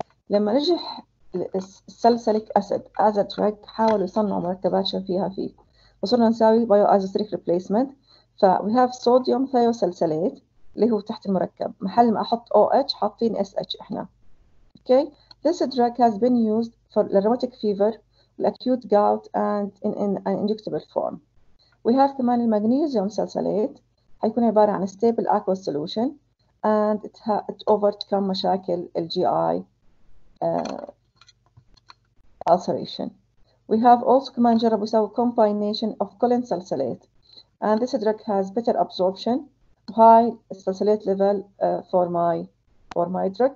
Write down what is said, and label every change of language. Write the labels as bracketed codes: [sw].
[ar] لما نجح السلسلك أسد [en] as a drug [ar] حاولوا يصنعوا مركبات شفيها فيه، وصرنا نساوي bioisosteric replacement. ف [en] we have sodium thiosalicylate [ar] اللي هو تحت المركب، محل ما أحط OH حاطين SH إحنا. [en] okay. this drug has been used for the rheumatic fever, the acute gout and in an injectable form. we have كمان [ar] المغنيسيوم سلسلات هيكون عبارة عن [en] stable aqueous solution and it overcome مشاكل الGI ulceration. we have also [ar] كمان جربوا سووا [en] combination of colon salicylate and this drug has better absorption, high salicylate level for my drug.